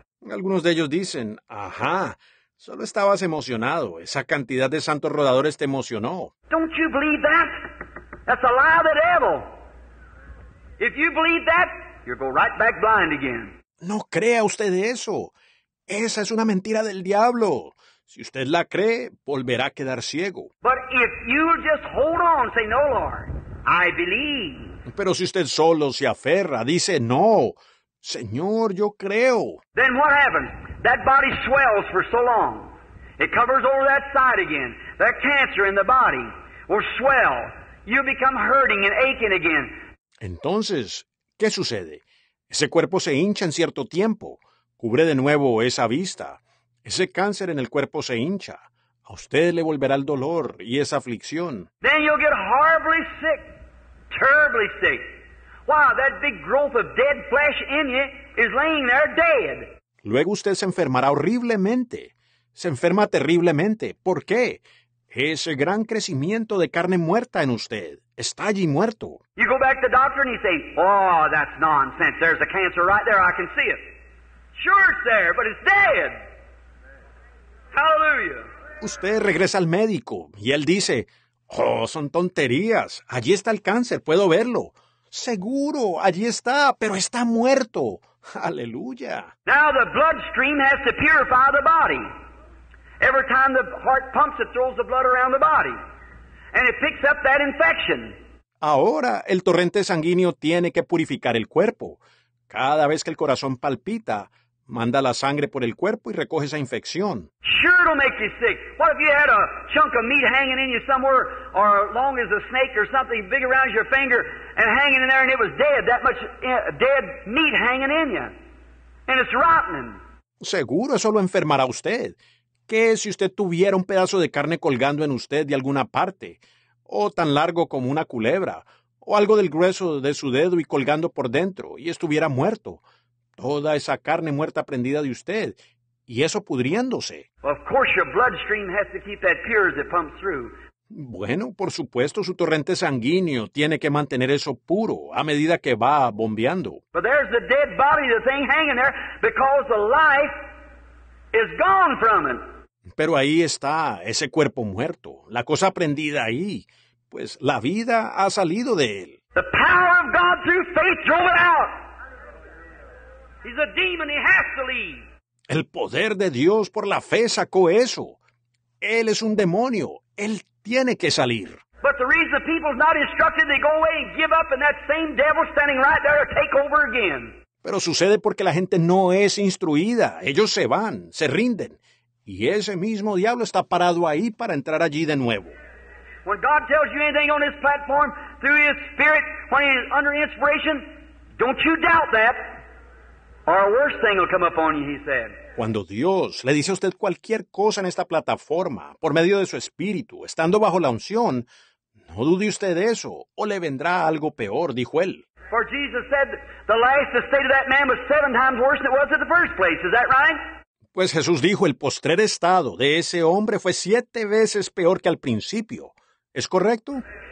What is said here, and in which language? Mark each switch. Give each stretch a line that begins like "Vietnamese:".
Spanish: Algunos de ellos dicen, ajá, solo estabas emocionado. Esa cantidad de santos rodadores te emocionó.
English: Don't you believe that? That's a lie of the devil. If you believe that, you'll go right back blind again.
Spanish: No crea usted eso. Esa es una mentira del diablo. Si usted la cree, volverá a quedar ciego.
English: But if you just hold on, say, no, Lord, I believe.
Spanish: Pero si usted solo se aferra, dice, no, Señor, yo creo.
English: Then what happens? That body swells for so long. It covers over that side again. That cancer in the body will swell. You become hurting and aching again.
Spanish: Entonces, ¿qué sucede? Ese cuerpo se hincha en cierto tiempo, cubre de nuevo esa vista. Ese cáncer en el cuerpo se hincha. A usted le volverá el dolor y esa aflicción.
English: Then you'll get horribly sick, terribly sick. Wow, that big growth of dead flesh in you is laying there dead.
Spanish: Luego usted se enfermará horriblemente. Se enferma terriblemente. ¿Por qué? Ese gran crecimiento de carne muerta en usted. Está allí muerto.
English: You go back to the doctor and he says, oh, that's nonsense. There's a cancer right there. I can see it. Sure it's there, but it's dead. Hallelujah.
Spanish: Usted regresa al médico y él dice, oh, son tonterías. Allí está el cáncer. Puedo verlo. Seguro, allí está, pero está muerto. Aleluya.
English: Now the bloodstream has to purify the body. Every time the heart pumps, it throws the blood around the body. And it picks up that infection.
Spanish: Ahora el torrente sanguíneo tiene que purificar el cuerpo. Cada vez que el corazón palpita, manda la sangre por el cuerpo y recoge esa infección.
English: Sure it'll make you sick. What if you had a chunk of meat hanging in you somewhere, or long as a snake or something big around your finger, and hanging in there and it was dead, that much dead meat hanging in you. And it's rotten.
Spanish: Seguro eso lo enfermará a usted. ¿Qué si usted tuviera un pedazo de carne colgando en usted de alguna parte? O tan largo como una culebra, o algo del grueso de su dedo y colgando por dentro, y estuviera muerto. Toda esa carne muerta prendida de usted, y eso pudriéndose.
English: Of course your bloodstream has to keep that pure as it pumps through.
Spanish: Bueno, por supuesto, su torrente sanguíneo tiene que mantener eso puro a medida que va bombeando.
English: But there's the dead body, the thing hanging there, because the life is gone from it.
Spanish: Pero ahí está ese cuerpo muerto, la cosa prendida ahí, pues la vida ha salido de él.
English: The power of God through faith drove it out. He's a demon, he has to leave.
Spanish: El poder de Dios por la fe sacó eso. Él es un demonio, él tiene que salir.
English: But the reason the people's not instructed, they go away and give up, and that same devil standing right there to take over again.
Spanish: Pero sucede porque la gente no es instruida, ellos se van, se rinden. Y ese mismo diablo está parado ahí para entrar allí de nuevo.
English: When God tells you anything on this platform through His Spirit, when He's under inspiration, don't you doubt that, or a worse thing will come upon you, He said.
Spanish: Cuando Dios le dice a usted cualquier cosa en esta plataforma, por medio de su Espíritu, estando bajo la unción, no dude usted de eso, o le vendrá algo peor, dijo Él.
English: For Jesus said the life, the state of that man was seven times worse than it was at the first place. Is that right?
Spanish: Pues Jesús dijo, el postrer estado de ese hombre fue siete veces peor que al principio. ¿Es correcto?